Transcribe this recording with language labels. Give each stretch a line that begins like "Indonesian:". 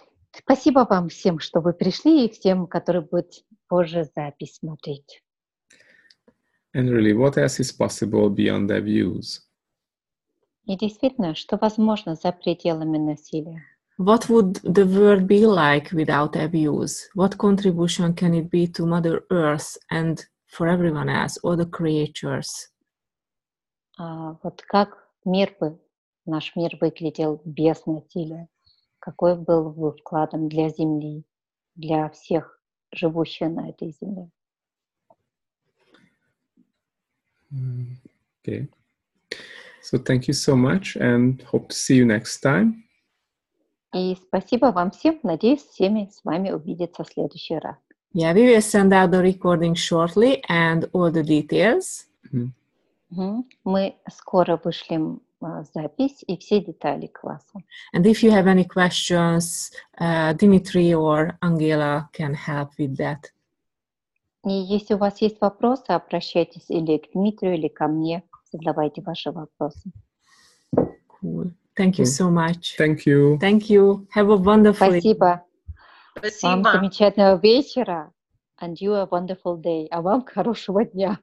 Russian: Спасибо вам всем, что вы пришли, и всем, которые будут позже запись смотреть.
English: And really, what else is possible beyond abuse?
Russian: И действительно, что возможно за пределами насилия?
English: What would the world be like without abuse? What contribution can it be to Mother Earth and for everyone else, all the creatures?
Russian: Вот как мир бы, наш мир выглядел без насилия? Какой был бы вкладом для Земли, для всех живущих на этой Земле?
English: Okay. So thank you so much and hope to see you next time.
Russian: И спасибо вам всем. Надеюсь, всеми с вами увидеться в следующий раз.
English: Yeah, we will send out the recording shortly and all the details. Mm-hmm.
Russian: Мы скоро вышлем запись и все детали класса.
English: And if you have any questions, Dimitri or Angela can help with that.
Russian: И если у вас есть вопросы, обращайтесь или к Дмитрию, или ко мне, задавайте ваши вопросы.
English: Cool. Thank you so much. Thank you. Thank you. Have a wonderful day.
Russian: Спасибо. Вам замечательного вечера.
English: And you a wonderful day.
Russian: А вам хорошего дня.